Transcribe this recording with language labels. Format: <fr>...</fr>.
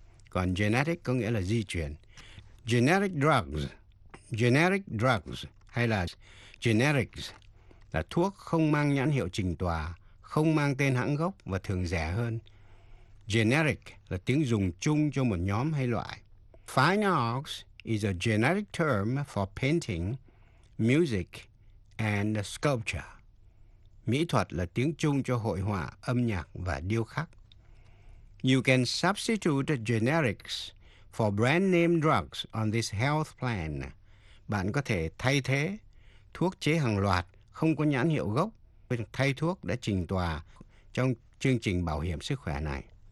<vi>Còn genetic có nghĩa là di truyền.</vi> <en>Generic drugs. Generic drugs.</en> <vi>Hay là</vi> <en>generics.</en> <vi>Là thuốc không mang nhãn hiệu trình tòa, không mang tên hãng gốc và thường rẻ hơn. Generic là tiếng dùng chung cho một nhóm hay loại.</vi> <en>Fine arts is a generic term for painting, music and sculpture.</en> <vi>Mỹ thuật là tiếng chung cho hội họa, âm nhạc và điêu khắc.</vi> <en>You can substitute generics for brand name drugs on this health plan.</en> <vi>Bạn có thể thay thế thuốc chế hàng loạt không có nhãn hiệu gốc với thay thuốc đã trình tòa trong chương trình bảo hiểm sức khỏe này.</vi>